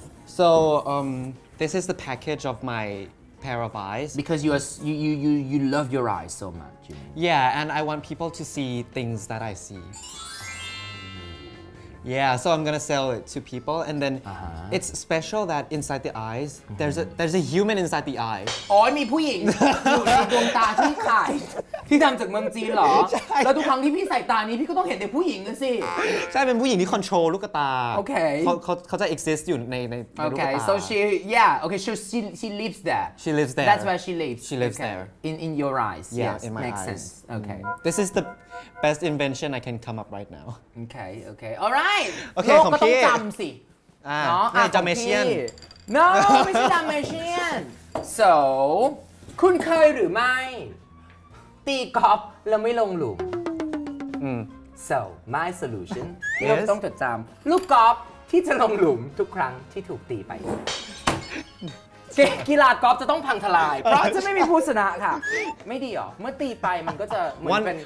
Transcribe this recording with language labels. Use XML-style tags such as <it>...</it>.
<en>So, this is the package of my pair of eyes. Because you love your eyes so much. You know? Yeah, and I want people to see things that I see. Yeah, so I'm gonna sell it to people, and then it's special that inside the eyes, there's a human inside the eye.</en> <th>Oh, มีผู้หญิงอยู่ในดวงตาที่ขายที่ทำจากเมืองจีนเหรอแล้วทุกครั้งที่พี่ใส่ตานี้พี่ก็ต้องเห็นแต่ผู้หญิงสิ ใช่เป็นผู้หญิงที่ control ลูกตา โอเค เขาจะ exist อยู่ในลูกตา</th> <en>โอเค so she yeah okay she lives there she lives there that's where she lives she lives there in your eyes yeah in my eyes makes sense okay this is the best invention I can come up right now okay all right</en> <th>โลกก็ต้องจำสิ เนาะจำเมเชียน</th> <en>no</en> <th>ไม่ใช่จำเมเชียน so คุณเคยหรือไม่ตีกอล์ฟแล้วไม่ลงหลุม</th> <en>so my solution</en> <th>เราต้องจดจำลูกกอล์ฟที่จะลงหลุมทุกครั้งที่ถูกตีไปกีฬากอล์ฟจะต้องพังทลายเพราะจะไม่มีผู้ชนะค่ะไม่ดีหรอเมื่อตีไปมันก็จะเหมือนเป็น</th>